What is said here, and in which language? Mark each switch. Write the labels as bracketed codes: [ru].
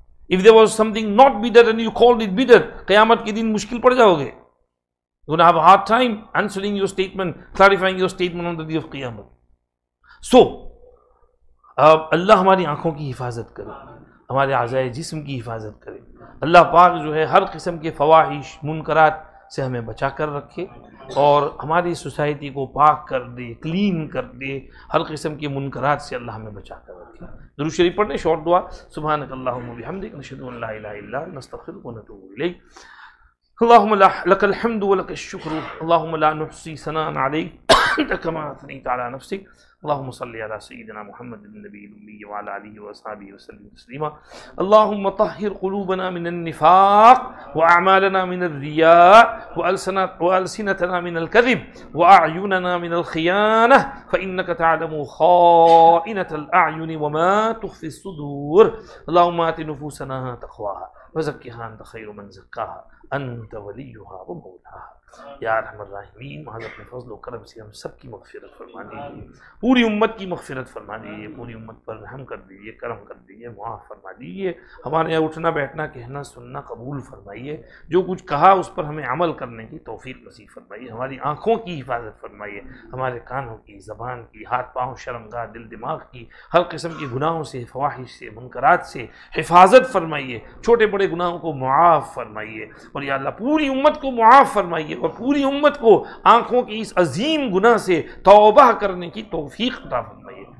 [en] If there was something not bidat and you called it bidat, [ur] قیامت کے دن مشکل پڑ جاؤ گے. [en] You're going to have a hard time answering your statement, clarifying your statement on the day of قیامت. [ur] So, اللہ ہماری آنکھوں کی حفاظت کرے, ہمارے اعضائے جسم کی حفاظت کرے, اللہ پاک جو ہے ہر قسم کے فواہش منکرات سے ہمیں بچا کر رکھے, اور ہماری سوسائٹی کو پاک کر دے, کلین کر دے, ہر قسم کے منکرات سے اللہ ہمیں بچا کر رکھے. درود شریف پڑھنے, شارٹ دعا, [ar] سبحانک اللہم وبحمدک, نشہد ان لا الہ الا انت, نستغفرک ونتوب الیک. اللہم لک الحمد ولک الشکر, اللہم لا نحصی ثناء علیک, انت کما اثنیت علی نفسک. اللهم صل على سيدنا محمد النبي الأمي وعلى آله وأصحابه وسلم تسليما. اللهم طهر قلوبنا من النفاق وأعمالنا من الرياء وألسنتنا من الكذب وأعيننا من الخيانة, فإنك تعلم خائنة الأعين وما تخفي الصدور. اللهم آت نفوسنا تقواها وزكها أنت خير من زكاها أنت وليها ومولاها. یا ارحم الراحمین, [ur] مہذا اپنے فضل و کرم سے ہم سب کی مغفرت فرما دیجیے, پوری امت کی مغفرت فرما دیجیے, پوری امت پر رحم کر دیجیے, کرم کر دیجیے, معاف فرما دیجیے, ہمارے یہاں اٹھنا بیٹھنا کہنا سننا قبول فرمائیے, جو کچھ کہا اس پر ہمیں عمل کرنے کی توفیق نصیب فرمائیے, ہماری آنکھوں کی حفاظت فرمائیے, ہمارے کانوں کی, زبان کی, ہاتھ پاؤں, شرمگاہ, دل دماغ کی, ہر قسم کے گناہوں سے, فواہش سے, منکرات سے حفاظت فرمائیے, چھوٹے بڑے گناہوں کو معاف فرمائیے, اور یا اللہ پوری امت کو معاف فرمائیے, اور پوری امت کو آنکھوں کی اس عظیم گناہ سے توبہ کرنے کی توفیق عطا فرمائیے.